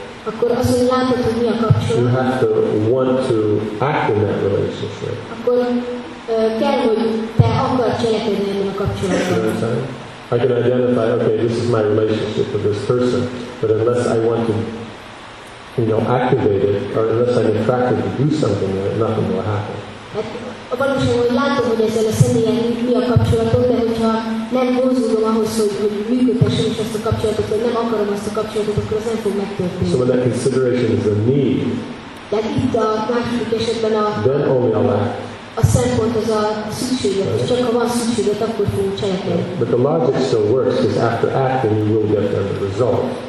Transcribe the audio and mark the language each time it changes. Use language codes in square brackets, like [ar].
[hu] akkor az, hogy látod, hogy mi a kapcsolat, [en] you have to want to act in that relationship. [hu] Akkor kell, hogy te akar cselekedni ebben a kapcsolatban. [en] I can identify, okay, this is my relationship with this person, but unless I want to, you know, activate it, or unless I'm attracted to do something with it, nothing will happen. [hu] A valóságban, hogy látom, hogy ezzel a személyen mi a kapcsolatom, de hogyha nem vonzódom ahhoz, hogy működhessem is azt a kapcsolatot, vagy nem akarom azt a kapcsolatot, akkor az nem fog megtörténni. [en] So when that consideration is a need, [hu] tehát itt a második esetben a [en] then only a lack. [hu] A szempont az a szükséget, és csak ha van szükséget, akkor fogunk cselekedni. [en] But the logic still works, because after acting you will get the result.